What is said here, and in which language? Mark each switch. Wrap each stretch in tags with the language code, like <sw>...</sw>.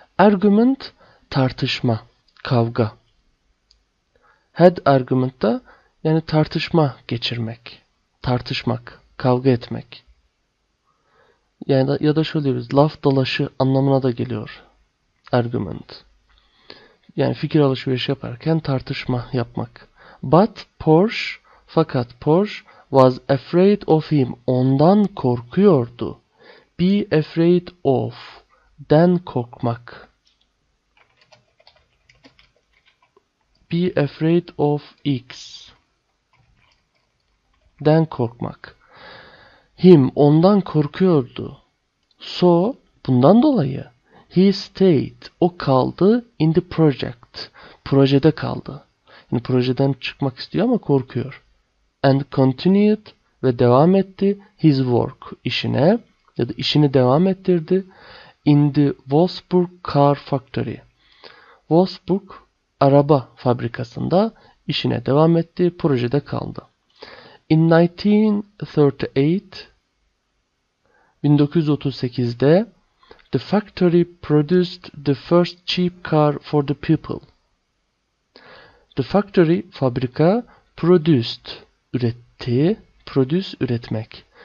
<tr>Argument, tartışma, kavga. Had argument da yani tartışma geçirmek, tartışmak, kavga etmek. Yani da, ya da şöyle diyoruz, laf dalaşı anlamına da geliyor argument. Yani fikir alışverişi yaparken tartışma yapmak.</tr> <en>But Porsche,</en> <tr>fakat</tr> <en>Porsche was afraid of him.</en> <tr>Ondan korkuyordu. Be afraid of, den korkmak. Be afraid of X, den korkmak. Him, ondan korkuyordu. So, bundan dolayı,</tr> <en>he stayed,</en> <tr>o kaldı</tr> <en>in the project.</en> <tr>projede kaldı. Yani projeden çıkmak istiyor ama korkuyor.</tr> <en>And continued</en> <tr>ve devam etti</tr> <en>his work</en> <tr>işine ya da işini devam ettirdi</tr> <en>in the Wolfsburg car factory.</en> <tr>Wolfsburg araba fabrikasında işine devam etti, projede kaldı.</tr> <en>In 1938, 1938'de the factory produced the first cheap car for the people. The factory fabrika produced</en> <tr>üretti,</tr> <en>produce</en> <tr>üretmek.</tr>